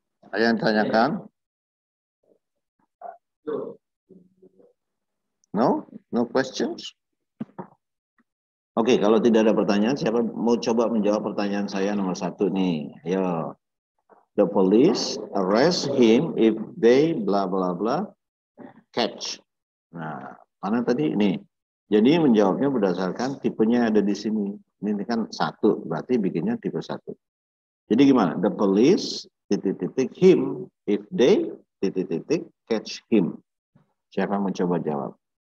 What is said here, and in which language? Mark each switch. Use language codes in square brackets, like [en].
[id] Ada yang tanyakan? [en] No? No questions? [id] Oke, kalau tidak ada pertanyaan, siapa mau coba menjawab pertanyaan saya nomor satu nih? Yo. [en] The police arrest him if they blah blah blah catch. [id] Nah, mana tadi? Nih. Jadi menjawabnya berdasarkan tipenya ada di sini. Ini kan satu, berarti bikinnya tipe satu. Jadi gimana? [en] The police titik-titik him if they titik-titik catch him. [id] Siapa mau coba jawab?